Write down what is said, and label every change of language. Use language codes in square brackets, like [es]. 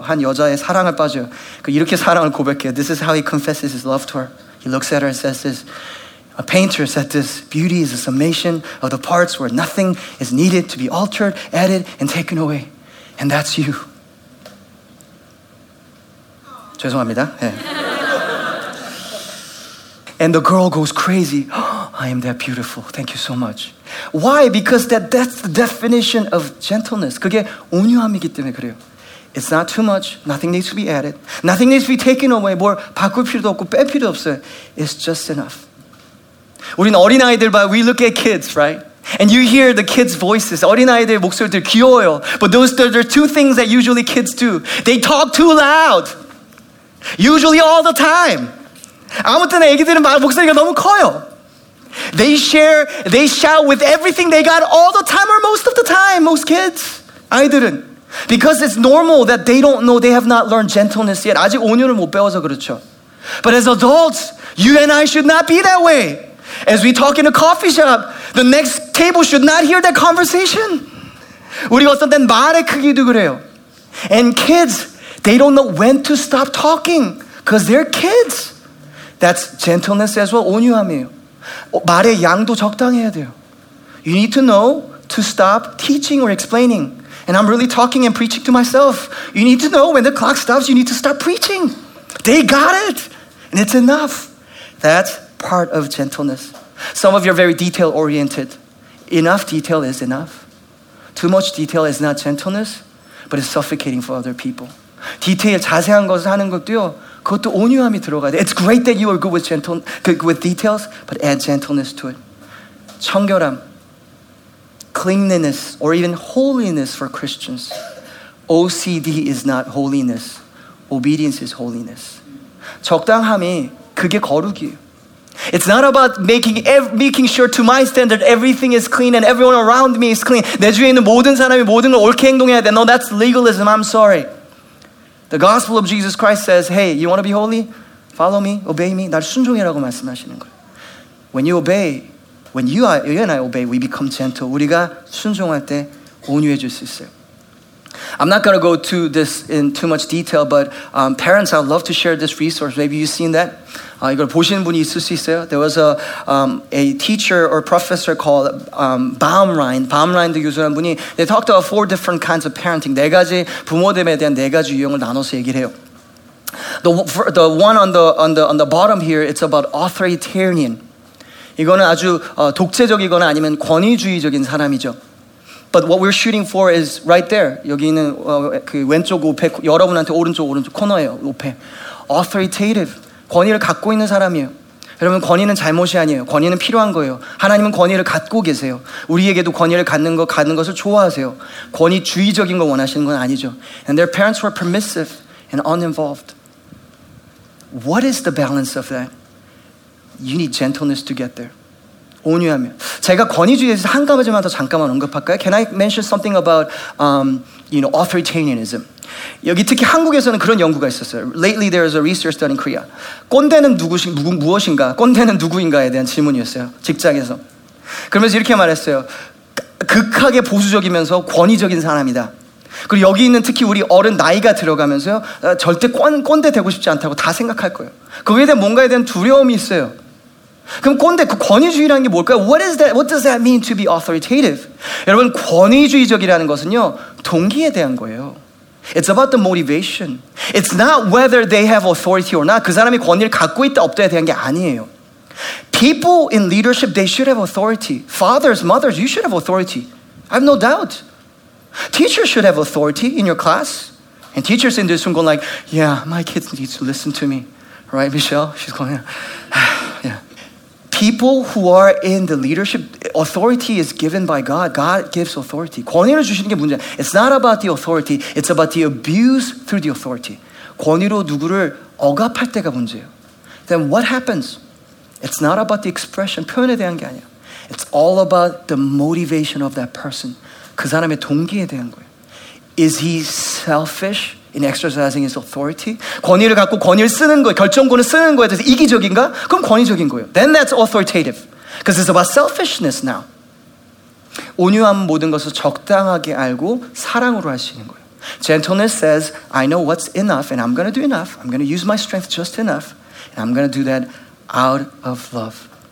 [ko] 한 여자의 사랑에 빠져요. 이렇게 사랑을 고백해요. [en] This is how he confesses his love to her. He looks at her and says this. A painter said this. Beauty is a summation of the parts where nothing is needed to be altered, added, and taken away. And that's you. [ko] 죄송합니다. 네. [en] And the girl goes crazy. I am that beautiful. Thank you so much. Why? Because that's the definition of gentleness. [ko] 그게 온유함이기 때문에 그래요. [en] It's not too much. Nothing needs to be added. Nothing needs to be taken away. [ko] 뭘 바꿀 필요도 없고 뺄 필요도 없어요. [en] It's just enough. [ko] 우리는 어린아이들 봐요. [en] We look at kids, right? And you hear the kids' voices. [ko] 어린아이들 목소리들 귀여워요. [en] But those are two things that usually kids do. They talk too loud. Usually all the time. [ko] 아무튼 애기들은 목소리가 너무 커요. [en] They shout with everything they got all the time or most of the time, most kids. [ko] 아이들은. [en] Because it's normal that they don't know, they have not learned gentleness yet. [ko] 아직 온유를 못 배워서 그렇죠. [en] But as adults, you and I should not be that way. As we talk in a coffee shop, the next table should not hear that conversation. [ko] 우리 어떤 땐 말의 크기도 그래요. [en] And kids, they don't know when to stop talking because they're kids. That's gentleness as well, [ko] 온유함이에요. 말의 양도 적당해야 돼요. [en] You need to know to stop teaching or explaining. And I'm really talking and preaching to myself. You need to know when the clock stops, you need to start preaching. They got it. And it's enough. That's part of gentleness. Some of you are very detail-oriented. Enough detail is enough. Too much detail is not gentleness, but it's suffocating for other people. [ko] 디테일, 자세한 것을 하는 것도요. 그것도 온유함이 들어가야 돼. [en] It's great that you are good with with details, but add gentleness to it. 청결함, cleanliness, or even holiness for Christians. OCD is not holiness. Obedience is holiness. [ko] 적당함이 그게 거룩이에요. [en] It's not about making sure to my standard everything is clean and everyone around me is clean. [ko] 내 주위에 있는 모든 사람이 모든 걸 옳게 행동해야 돼. [en] No, that's legalism. I'm sorry. The gospel of Jesus Christ says, hey, you want to be holy? Follow me, obey me. [ko] 날 순종이라고 말씀하시는 거예요. [en] When you obey, when you and I obey, we become gentle. [ko] 우리가 순종할 때 온유해질 수 있어요. [en] I'm not going to go to this in too much detail, but parents, I'd love to share this resource. Maybe you've seen that. [ko] 이걸 보시는 분이 있을 수 있어요. [en] There was a teacher or professor called Baumrind. Baumrind [ko] 교수라는 분이 [en] they talked about four different kinds of parenting. [ko] 네 가지 부모됨에 대한 네 가지 유형을 나눠서 얘기를 해요. [en] The one on the bottom here, it's about authoritarian. [ko] 이거는 아주 독재적이거나 아니면 권위주의적인 사람이죠. [en] But what we're shooting for is right there. [ko] 여기 있는 그 왼쪽 오페 여러분한테 오른쪽 코너예요. [en] 오페. Authoritative. [ko] 권위를 갖고 있는 사람이에요. 여러분 권위는 잘못이 아니에요. 권위는 필요한 거예요. 하나님은 권위를 갖고 계세요. 우리에게도 권위를 갖는 것을 좋아하세요. 권위주의적인 걸 원하시는 건 아니죠. [en] And their parents were permissive and uninvolved. What is the balance of that? You need gentleness to get there. [ko] 온유함이요. 제가 권위주의에서 한 가지만 더 잠깐만 언급할까요? [en] Can I mention something about you know, authoritarianism? [ko] 여기 특히 한국에서는 그런 연구가 있었어요. [en] Lately there is a research done in Korea. [ko] 꼰대는 무엇인가? 꼰대는 누구인가에 대한 질문이었어요. 직장에서. 그러면서 이렇게 말했어요. 극하게 보수적이면서 권위적인 사람이다. 그리고 여기 있는 특히 우리 어른 나이가 들어가면서요. 절대 꼰대 되고 싶지 않다고 다 생각할 거예요. 거기에 대한 뭔가에 대한 두려움이 있어요. 그럼 꼰대 그 권위주의라는 게 뭘까요? [en] What is that? What does that mean to be authoritative? [ko] 여러분 권위주의적이라는 것은요 동기에 대한 거예요. [en] It's about the motivation. It's not whether they have authority or not. [ko] 그 사람이 권위를 갖고 있다 없다에 대한 게 아니에요. [en] People in leadership, they should have authority. Fathers, mothers, you should have authority. I have no doubt. Teachers should have authority in your class. And teachers in this room go like, yeah, my kids need to listen to me. Right, Michelle? She's going, yeah. People who are in the leadership, authority is given by God. God gives authority. [ko] 권위를 주시는 게 문제야. [en] It's not about the authority. It's about the abuse through the authority. [ko] 권위로 누구를 억압할 때가 문제예요. [en] Then what happens? It's not about the expression, [ko] 표현에 대한 게 아니야. [en] It's all about the motivation of that person. [ko] 그 사람의 동기에 대한 거예요. [en] Is he selfish in exercising his authority? [ko] 권위를 갖고 권위를 쓰는 거예요. 결정권을 쓰는 거에 대해서 이기적인가? 그럼 권위적인 거예요. [en] Then that's authoritative. Because it's about selfishness now. [ko] 온유함 모든 것을 적당하게 알고 사랑으로 할 수 있는 거예요. [en] Gentleness says, I know what's enough and I'm going to do enough. I'm going to use my strength just enough. And I'm going to do that out of love.